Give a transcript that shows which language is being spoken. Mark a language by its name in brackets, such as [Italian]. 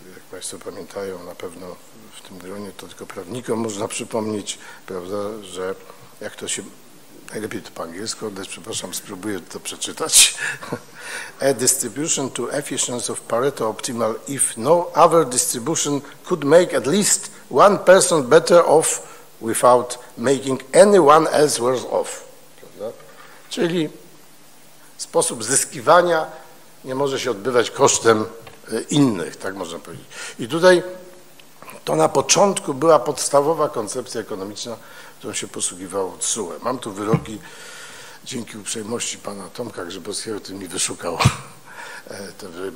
[Polish] Państwo pamiętają na pewno w tym gronie, to tylko prawnikom można przypomnieć, prawda, że jak to się, najlepiej to po angielsku, ale przepraszam, spróbuję to przeczytać. [English] A distribution to efficiency of Pareto optimal if no other distribution could make at least one person better off without making anyone else worse off. [Polish] Prawda? Czyli sposób zyskiwania nie może się odbywać kosztem innych, tak można powiedzieć. I tutaj to na początku była podstawowa koncepcja ekonomiczna, którą się posługiwało TSUE. Mam tu wyroki, dzięki uprzejmości pana Tomka Grzybowskiego, który mi wyszukał te wyroki.